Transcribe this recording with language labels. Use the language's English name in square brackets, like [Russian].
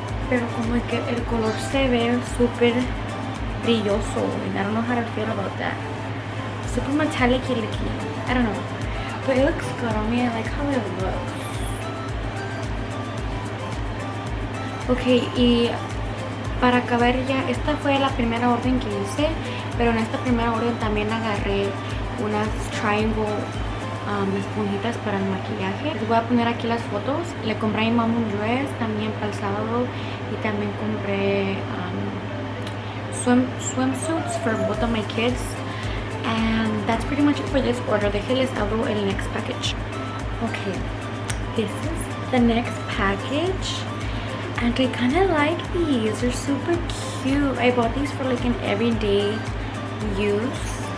[Spanish] Pero como que el color se ve súper brilloso. [English] And I don't know how to feel about that. Super metallic-y looking. I don't know. But it looks good on me. I like how it looks. [Spanish] Okay, y para acabar ya, esta fue la primera orden que hice. Pero en esta primera orden también agarré unas triangle esponjitas para el maquillaje. Les voy a poner aquí las fotos. Le compré a mi mamá un dress también para el sábado. Y también compré [English] swimsuits for both of my kids. And that's pretty much it for this order. [Spanish] Déjeles abro el [English] next package. Okay, this is the next package. And I kind of like these. They're super cute. I bought these for like an everyday use.